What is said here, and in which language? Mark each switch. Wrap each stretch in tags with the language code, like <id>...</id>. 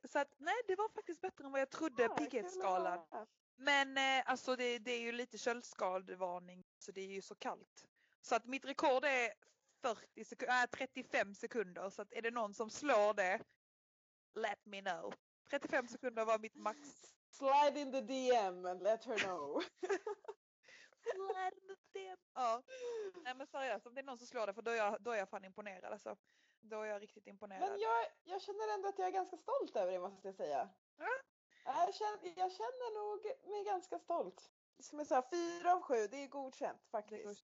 <sv>Så att, nej, det var faktiskt bättre än vad jag trodde. Ja, pigghetsskalan. Men alltså det är ju lite köldskaldvarning. Så det är ju så kallt. Så att mitt rekord är 35 sekunder. Så att är det någon som slår det,</sv> <en>let me know.</en> <sv>35 sekunder var mitt max.</sv> <en>Slide in the DM and let her know. Slide in the DM. Ja.</en> <sv>Nej, men seriöst, om det är någon som slår det, för då är jag fan imponerad. Alltså. Då är jag riktigt imponerad. Men jag känner ändå att jag är ganska stolt över det, måste jag säga. Ja? Jag känner nog mig ganska stolt. Som jag sa, 4 av 7, det är godkänt faktiskt.</sv>